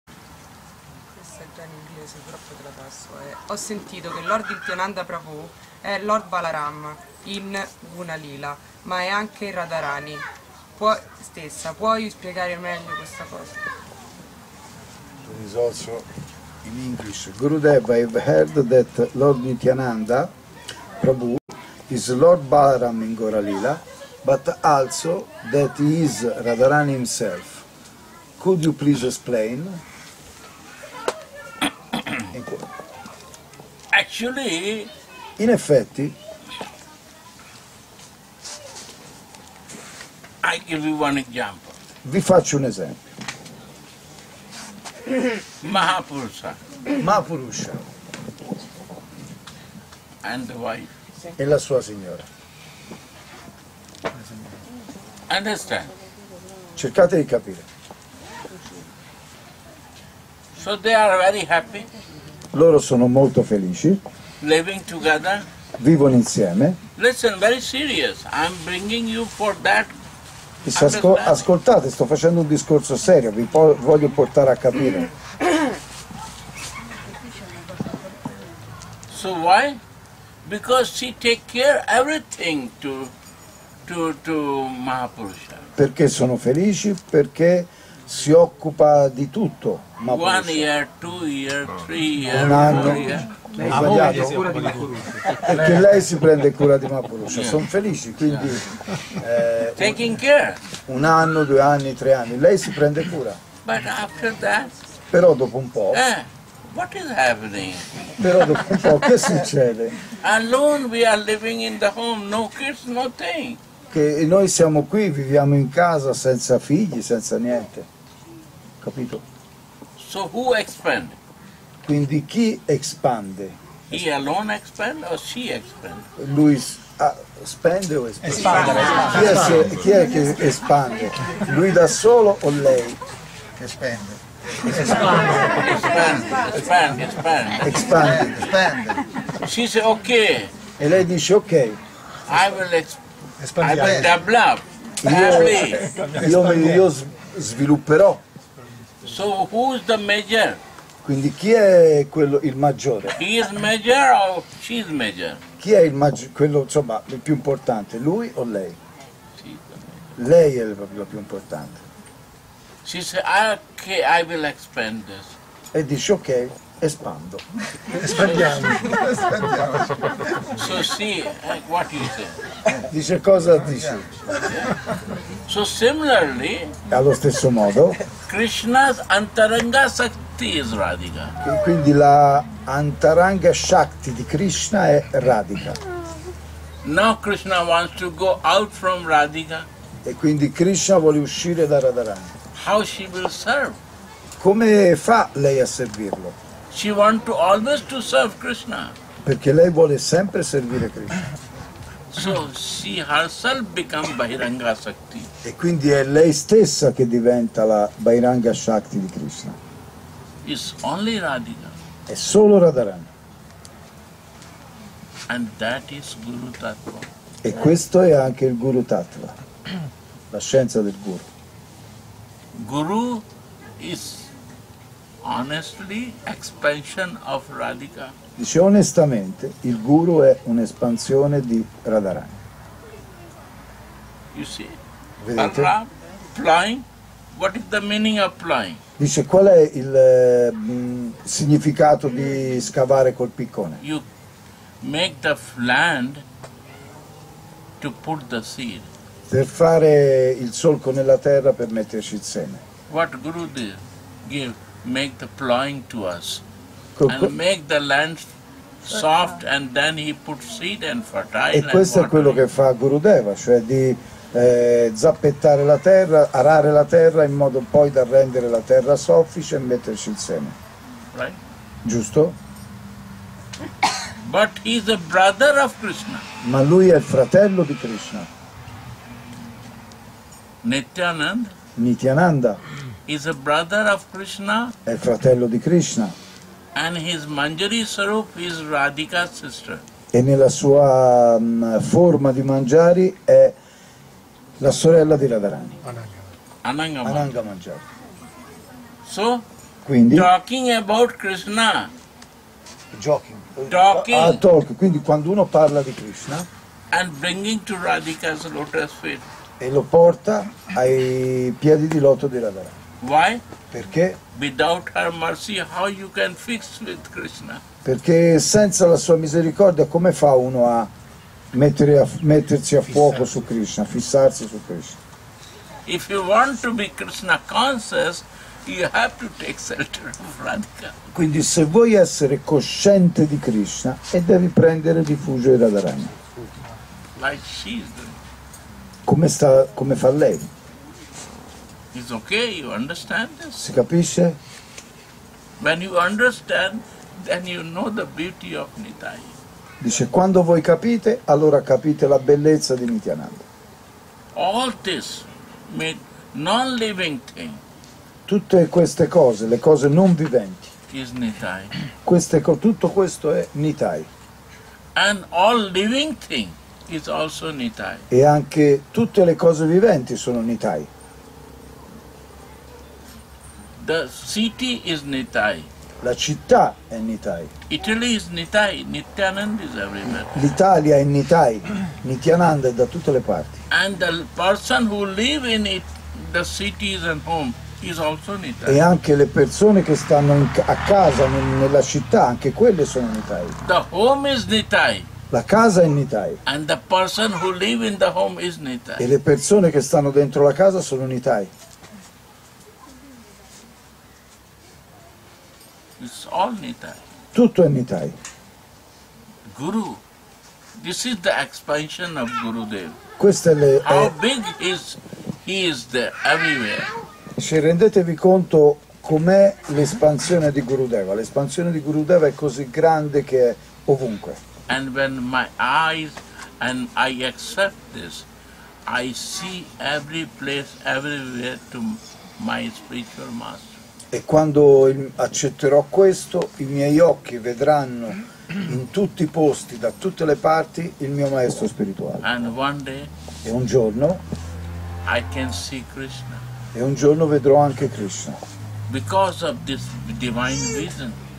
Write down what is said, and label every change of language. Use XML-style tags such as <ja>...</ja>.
<it>già in inglese, purtroppo te la passo. Ho sentito che Lord Iltyananda Prabhu è Lord Balaram in Gunalila, ma è anche Radharani. Puoi spiegare meglio questa cosa?</it> <en>There is also in English. Gurudev, I have heard that Lord Nityananda Prabhu is Lord Balaram in Gunalila, but also that he is Radharani himself. Could you please explain? Actually,</en> <it>in effetti,</it> <en>I give you one example.</en> <it>Vi faccio un esempio. Mahapurusha. Mahapurusha.</it> <en>And the wife.</en> <it>E la sua signora.</it> <en>Understand?</en> <it>Cercate di capire.</it> <en>So they are very happy.</en> <it>Loro sono molto felici.</it> <en>Living together.</en> <it>Vivono insieme.</it> <en>Listen, very serious. I'm bringing you for that.</en> <it>Ascoltate, sto facendo un discorso serio, vi voglio portare a capire.</it> <en>So why? Because she take care everything to Mahapurusha.</en> <it>Perché sono felici? Perché si occupa di tutto.</it> <en>Ma one year, two year, three year,</en> <it>un anno. Lei si prende cura di Mahapurusha. Perché lei si prende cura di Mahapurusha. Sono felici, quindi.</it> <en>Taking care.</en> <it>Un anno, due anni, tre anni. Lei si prende cura.</it> <en>But after that.</en> <it>Però dopo un po'.</it> <en>What is happening?</en> <it>Però dopo un po' che succede?</it> <en>Alone we are living in the home, no kids, no thing.</en> <it>E noi siamo qui, viviamo in casa senza figli, senza niente, capito?</it> <en>So who expand?</en> <it>Quindi chi espande?</it> <en>He alone expand or she expand?</en> <it>Lui spende o espande? Chi è che espande? Lui da solo o lei? Espande. Espande. Espande.</it> <en>She say ok.</en> <it>E lei dice ok.</it> <en>I will expand.</en> <it>Espandiamo. Io svilupperò.</it> <en>So who is the major?</en> <it>Quindi chi è quello il maggiore? He is major or she is major? Chi è quello insomma il più importante, lui o lei? Lei è proprio la più importante.</it> <en>She said okay, I will expand this.</en> <it>E dice ok, espando. Espandiamo.</it> <en>So see what you say.</en> <it>Dice cosa dice?</it> <en>So similarly,</en> <it>allo stesso modo,</it> <en>Krishna's antaranga shakti is radhika.</en> <it>Quindi la antaranga shakti di Krishna è radhika.</it> <en>Now Krishna wants to go out from radhika.</en> <it>E quindi Krishna vuole uscire da radharanga.</it> <en>How she will serve?</en> <it>Come fa lei a servirlo?</it> <en>She want to always to serve Krishna.</en> <it>Perché lei vuole sempre servire Krishna.</it> <en>So she herself become Bahiranga Shakti.</en> <it>E quindi è lei stessa che diventa la Bahiranga Shakti di Krishna.</it> <en>It's only Radhika.</en> <it>È solo Radharani.</it> <en>And that is Guru Tattva.</en> <it>E questo è anche il Guru Tattva. La scienza del Guru.</it> <en>Guru is honestly expansion of Radhika.</en> <it>Dice onestamente, il guru è un'espansione di Radharani.</it> <en>You see?</en> <it>Vedete?</it> <en>Plying? What is the meaning of plying?</en> <it>Dice qual è il significato di scavare col piccone?</it> <en>You make the land to put the seed.</en> <it>Per fare il solco nella terra per metterci il seme.</it> <en>What guru did give? Make the plowing to us. And make the land soft and then he put seed and fertile.</en> <it>E questo è quello che fa Gurudeva, cioè di zappettare la terra, arare la terra in modo poi da rendere la terra soffice e metterci il seme.</it> <en>Right?</en> <it>Giusto?</it> <en>But he is a brother of Krishna.</en> <it>Ma lui è il fratello di Krishna. Nityananda. Nityananda.</it> <en>Is a brother of Krishna.</en> <it>È fratello di Krishna.</it> <en>And his Manjari Sarup is Radhika's sister.</en> <it>E nella sua forma di Manjari è la sorella di Radharani. Ananga Manjari.</it> <en>So,</en> <it>Quindi?</it> <en>Talking about Krishna. Joking. Talking. Talk.</en> <it>Quindi quando uno parla di Krishna.</it> <en>And bringing to Radhika's lotus feet.</en> <it>E lo porta ai piedi di loto di Radha.</it> <en>Why?</en> <it>Perché?</it> <en>Without her mercy, how you can fix with Krishna?</en> <it>Perché senza la sua misericordia come fa uno a mettersi a fuoco su Krishna, fissarsi su Krishna?</it> <en>If you want to be Krishna conscious, you have to take shelter of Radhika.</en> <it>Quindi se vuoi essere cosciente di Krishna, e devi prendere rifugio in Radharani.</it> <en>Like she is doing.</en> <it>Come fa lei?</it> <en>It's okay, you understand this?</en> <it>Si capisce?</it> <en>When you understand, then you know the beauty of Nitai.</en> <it>Dice, quando voi capite, allora capite la bellezza di Nityananda.</it> <en>All this made non-living thing.</en> <it>Tutte queste cose, le cose non viventi.</it> <en>Is Nitai.</en> <it>Tutto questo è Nitai.</it> <en>And all living thing is also Nitai.</en> <it>E anche tutte le cose viventi sono Nitai.</it> <en>The city is Nitai.</en> <it>La città è Nitai.</it> <en>Italy is Nitai. Nityananda is everywhere.</en> <it>L'Italia è Nitai. Nityananda è da tutte le parti.</it> <en>And the person who live in it, the city is at home, is also Nitai.</en> <it>E anche le persone che stanno a casa nella città, anche quelle sono Nitai.</it> <en>The home is Nitai.</en> <it>La casa è Nitai.</it> <en>And the person who live in the home is Nitai.</en> <it>E le persone che stanno dentro la casa sono Nitai.</it> <en>It's all Nitai.</en> <it>Tutto è Nitai.</it> <en>Guru, this is the expansion of Gurudev.</en> <it>Questo è le.</it> <en>How big is he is there everywhere?</en> <it>Se rendetevi conto com'è l'espansione di Gurudeva. L'espansione di Gurudeva è così grande che è ovunque.</it> <en>And when my eyes and I accept this, I see every place everywhere to my spiritual master.</en> <it>E quando accetterò questo, i miei occhi vedranno in tutti i posti, da tutte le parti, il mio maestro spirituale.</it> <en>And one day,</en> <it>e un giorno,</it> <en>I can see Krishna.</en> <it>E un giorno vedrò anche Krishna.</it> <en>Because of this divine vision.</en>